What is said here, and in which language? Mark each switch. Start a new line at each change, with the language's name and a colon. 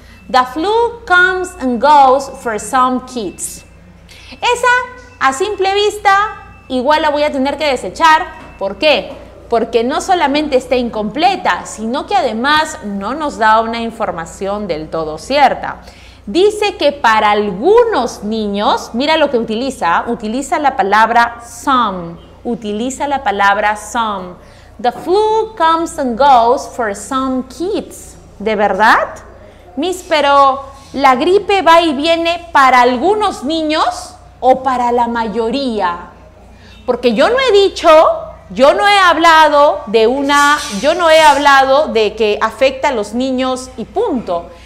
English: The flu comes and goes for some kids.
Spanish: Esa, a simple vista, igual la voy a tener que desechar. ¿Por qué? Porque no solamente está incompleta, sino que además no nos da una información del todo cierta. Dice que para algunos niños, mira lo que utiliza, utiliza la palabra some, utiliza la palabra some.
English: The flu comes and goes for some kids.
Spanish: ¿De verdad? Miss, pero ¿la gripe va y viene para algunos niños o para la mayoría? Porque yo no he dicho, yo no he hablado de una, yo no he hablado de que afecta a los niños y punto.